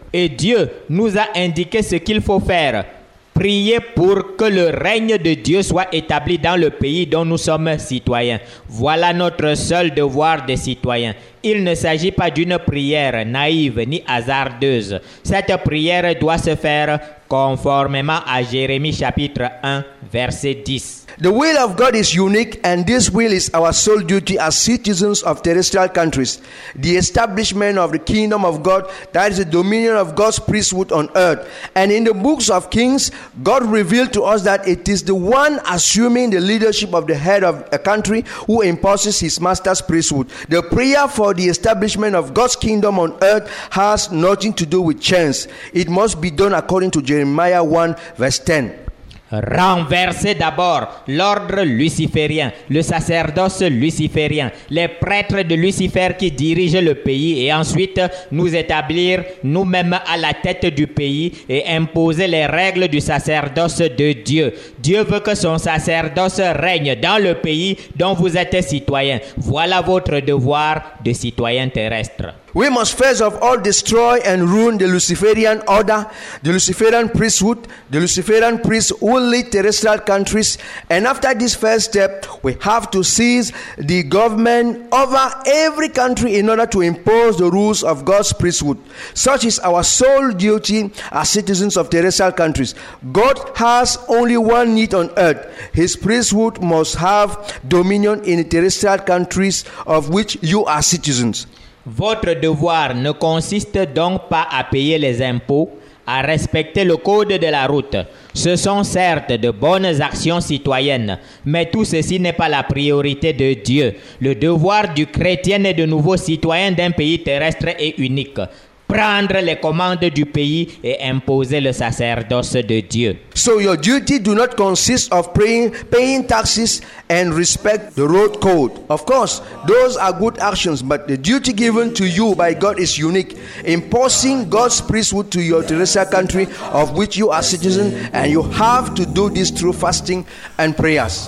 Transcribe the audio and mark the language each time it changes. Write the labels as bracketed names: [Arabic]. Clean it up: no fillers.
[French] Et Dieu nous a indiqué ce qu'il faut faire. Priez pour que le règne de Dieu soit établi dans le pays dont nous sommes citoyens. Voilà notre seul devoir de citoyen. Il ne s'agit pas d'une prière naïve ni hasardeuse. Cette prière doit se faire conformément à Jérémie chapitre 1 verset 10. [English] The will of God is unique, and this will is our sole duty as citizens of terrestrial countries. The establishment of the kingdom of God, that is the dominion of God's priesthood on earth. And in the books of Kings, God revealed to us that it is the one assuming the leadership of the head of a country who imposes his master's priesthood. The prayer for the establishment of God's kingdom on earth has nothing to do with chance. It must be done according to Jeremiah 1 verse 10. [French] Renverser d'abord l'ordre luciférien, le sacerdoce luciférien, les prêtres de Lucifer qui dirigent le pays, et ensuite nous établir nous-mêmes à la tête du pays et imposer les règles du sacerdoce de Dieu. Dieu veut que son sacerdoce règne dans le pays dont vous êtes citoyen. Voilà votre devoir de citoyen terrestre. [English] We must first of all destroy and ruin the Luciferian order, the Luciferian priesthood, the Luciferian priests who lead terrestrial countries. And after this first step, we have to seize the government over every country in order to impose the rules of God's priesthood. Such is our sole duty as citizens of terrestrial countries. God has only one need on earth. His priesthood must have dominion in the terrestrial countries of which you are citizens. [French] Votre devoir ne consiste donc pas à payer les impôts, à respecter le code de la route. Ce sont certes de bonnes actions citoyennes, mais tout ceci n'est pas la priorité de Dieu. Le devoir du chrétien et de nouveau citoyen d'un pays terrestre est unique. Prendre les commandes du pays et imposer le sacerdoce de Dieu. [English] So your duty do not consist of paying taxes and respect the road code. Of course, those are good actions, but the duty given to you by God is unique. Imposing God's priesthood to your terrestrial country of which you are citizen, and you have to do this through fasting and prayers.